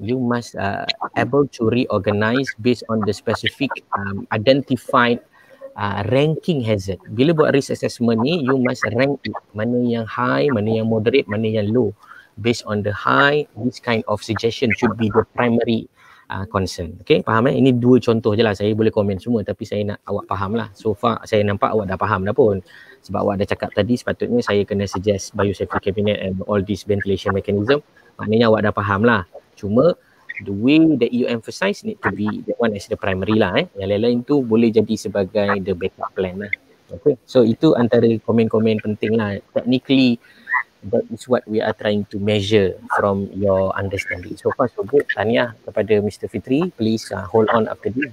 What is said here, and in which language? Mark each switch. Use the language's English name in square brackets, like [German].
[English] You must able to reorganize based on the specific identified ranking hazard. [Malay] Bila buat [English] risk assessment ni, you must rank it. [Malay] Mana yang high, mana yang moderate, mana yang low. [English] Based on the high, this kind of suggestion should be the primary concern. [Malay] Okay, faham eh? Ini dua contoh je lah. Saya boleh komen semua tapi saya nak awak faham lah. So far saya nampak awak dah faham dah pun. Sebab awak dah cakap tadi sepatutnya saya kena suggest [English] biosafety cabinet and all this ventilation mechanism. [Malay] Maknanya awak dah faham lah. [English] Cuma the way that you emphasize need to be the one as the primary lah eh. [Malay] Yang lain-lain tu boleh jadi sebagai [English] the backup plan [Malay] lah. Okay, so itu antara komen-komen penting lah. [English] Technically, that is what we are trying to measure from your understanding. So far, so good. [Malay] Tahniah kepada [English] Mr. Fitri. Please hold on after this.